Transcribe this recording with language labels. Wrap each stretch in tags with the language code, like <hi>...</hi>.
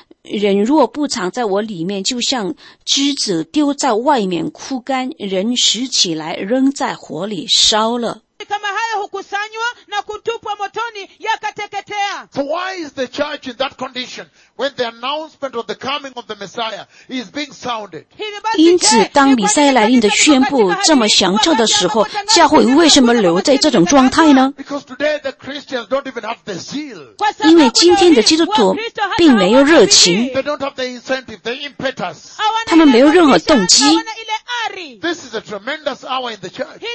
<zh>人若不藏在我里面，就像枝子丢在外面枯干，人拾起来扔在火里烧了。</zh> <sw>Kama haya hukusanywa na kutupwa motoni yakateketea.</sw> <en>So why is the church in that condition when the announcement of the coming of the Messiah is being sounded?</en> <zh>因此当弥赛亚来临的宣布这么响彻的时候，教会为什么留在这种状态呢？</zh> <en>Because today the Christians don't even have the zeal.</en> <zh>因为今天的基督徒并没有热情。</zh> <en>They don't have the incentive, the impetus.</en> <zh>他们没有任何动机。</zh> <en>This is a tremendous hour in the church.</en>